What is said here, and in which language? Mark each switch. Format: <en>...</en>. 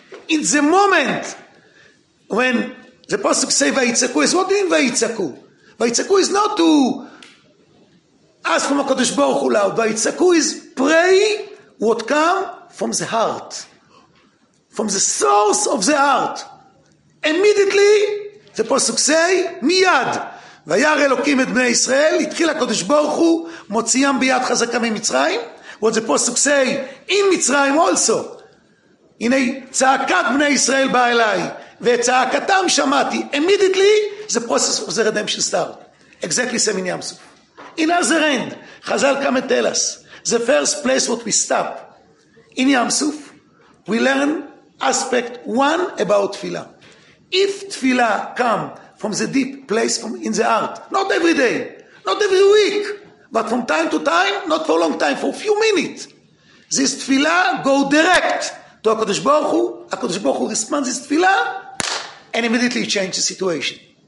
<en>In the moment when the pasuk say vayitzaku, is what do you mean vayitzaku? Vayitzaku is not to ask from HaKadosh Baruch Hu loud. Vayitzaku is pray what come from the heart, from the source of the heart. Immediately, the pasuk say,</en> <he>מיד, וירא אלוקים את בני ישראל, התחיל הקדוש ברוך הוא, מוציאם ביד חזקה ממצרים,</he> <en>what the pasuk say, in</en> <he>מצרים also, הנה צעקת בני ישראל באה אליי, ואת צעקתם שמעתי,</he> <en>immediately, the process of the redemption start. Exactly same in ים סוף. In other end, חזל come and tell us, the first place what we stop, in Yam Suf, we learn aspect one about tefillah. If tefillah come from the deep place from in the heart, not every day, not every week, but from time to time, not for a long time, for a few minutes, this tefillah go direct to HaKadosh Baruch Hu, HaKadosh Baruch Hu responds this tefillah, and immediately change the situation.</en>